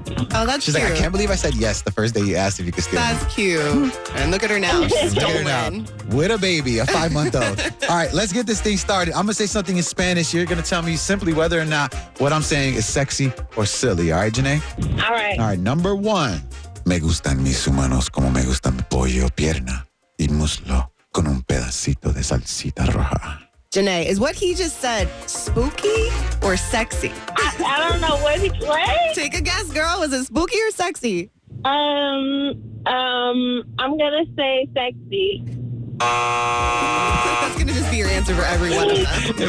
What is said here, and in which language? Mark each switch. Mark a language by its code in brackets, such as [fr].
[en] Oh, that's She's cute. She's like, I can't believe I said yes the first day you asked if you could steal her. That's cute. And look at her now. She's going out with a baby, a five-month-old. All right, let's get this thing started. I'm going to say something in Spanish. You're going to tell me simply whether or not what I'm saying is sexy or silly. All right, Janae? All right. All right, number one. [es] Me gustan mis humanos como me gustan pollo, pierna y muslo con un pedacito de salsita roja. [en] Oh, Janae, is what he just said spooky or sexy? I don't know what he played. Take a guess, girl. Was it spooky or sexy? I'm gonna say sexy. That's gonna just be your answer for every one of them.